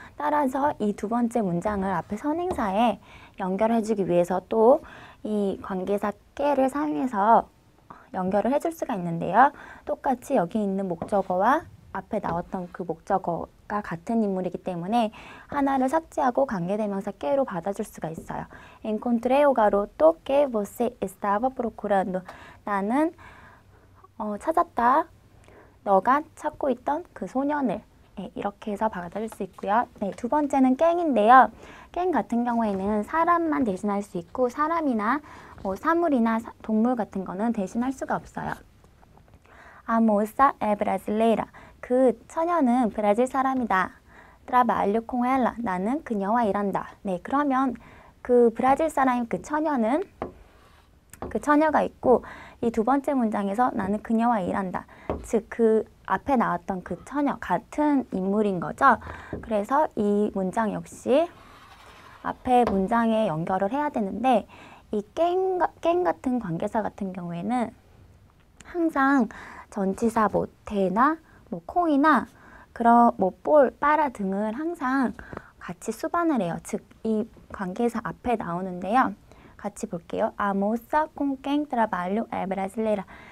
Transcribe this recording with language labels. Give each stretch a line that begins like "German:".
Korean: 따라서 이 두 번째 문장을 앞에 선행사에 연결해 주기 위해서 또 이 관계사 깨를 사용해서 연결을 해줄 수가 있는데요. 똑같이 여기 있는 목적어와 앞에 나왔던 그 목적어가 같은 인물이기 때문에 하나를 삭제하고 관계대명사 깨로 받아줄 수가 있어요.
Portuguese: Encontré가로 또 que você estava procurando.
Korean: 나는 찾았다. 너가 찾고 있던 그 소년을. 네, 이렇게 해서 받아줄 수 있고요. 네, 두 번째는 깽인데요. 깽 같은 경우에는 사람만 대신할 수 있고 사람이나 뭐 사물이나 동물 같은 거는 대신할 수가 없어요.
Portuguese: A moça é brasileira.
Korean: 그 처녀는 브라질 사람이다.
Portuguese: Trabalho com ela.
Korean: 나는 그녀와 일한다. 네, 그러면 그 브라질 사람인 그 처녀는 그 처녀가 있고 이 두 번째 문장에서 나는 그녀와 일한다. 즉, 그 앞에 나왔던 그 처녀 같은 인물인 거죠. 그래서 이 문장 역시 앞에 문장에 연결을 해야 되는데 이 깽 같은 관계사 같은 경우에는 항상 전치사 뭐 대나 뭐 콩이나 그런 뭐 볼, 빠라 등을 항상 같이 수반을 해요. 즉, 이 관계사 앞에 나오는데요. 같이 볼게요.
Portuguese: A moça com quem trabalho é brasileira.